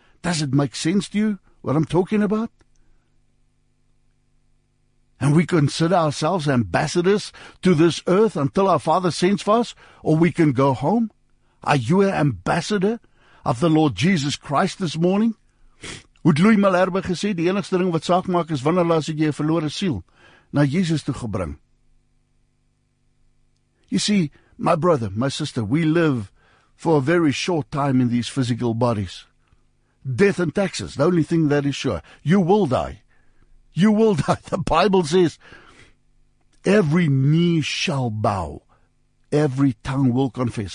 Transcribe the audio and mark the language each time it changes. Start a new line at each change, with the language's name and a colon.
English: Does it make sense to you what I'm talking about? And we consider ourselves ambassadors to this earth until our Father sends for us, or we can go home? Are you an ambassador of the Lord Jesus Christ this morning?
Afrikaans: Het Louis Malherbe gesê, die enigste ding wat saak maak is wanneer laat ek jy 'n verlore siel na Jesus toe gebring.
English: You see, my brother, my sister, we live for a very short time in these physical bodies. Death and taxes, the only thing that is sure. You will die. You will die. The Bible says, every knee shall bow, every tongue will confess.